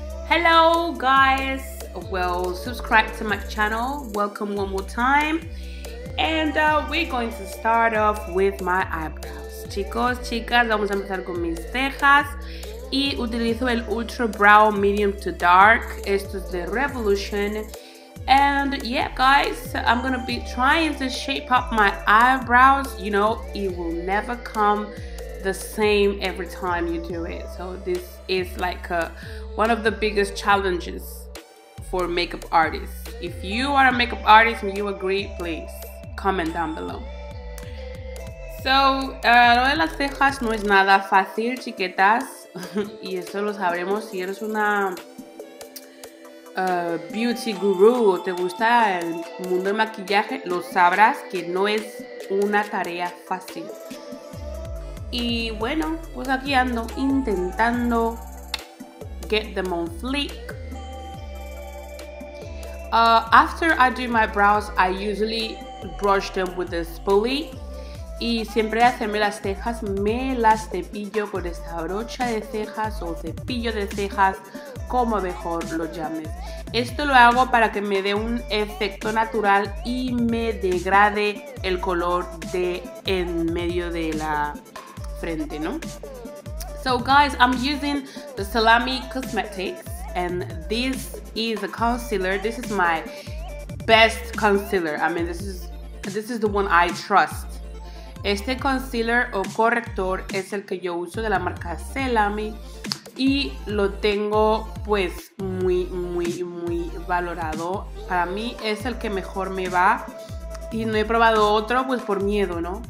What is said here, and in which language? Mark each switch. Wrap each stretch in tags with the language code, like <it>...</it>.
<en>Hello guys, well, subscribe to my channel, welcome one more time, and we're going to start off with my eyebrows.</en> <es>Chicos, chicas, vamos a empezar con mis cejas. Y utilizo el Ultra Brow Medium to Dark. Esto es de Revlon.</es> <en>And yeah, guys, I'm gonna be trying to shape up my eyebrows. You know, it will never come the same every time you do it. So this is like one of the biggest challenges for makeup artists. If you are a makeup artist and you agree, please comment down below.</en> <es>So, lo de las cejas no es nada fácil, chiquetas. Y eso lo sabremos si eres una beauty guru o te gusta el mundo del maquillaje, lo sabrás que no es una tarea fácil. Y bueno, pues aquí ando intentando</es> <en>get them on fleek. After I do my brows, I usually brush them with a spoolie.</en> <es>Y siempre hacerme las cejas, me las cepillo con esta brocha de cejas o cepillo de cejas, como mejor lo llames. Esto lo hago para que me dé un efecto natural y me degrade el color de en medio de la frente, ¿no?</es> <en>So guys, I'm using the Celamy Cosmetics and this is a concealer. This is my best concealer. I mean, this is the one I trust.</en> <es>Este concealer o corrector es el que yo uso de la marca Celamy y lo tengo pues muy, muy, muy valorado. Para mí es el que mejor me va y no he probado otro pues por miedo, ¿no?</es>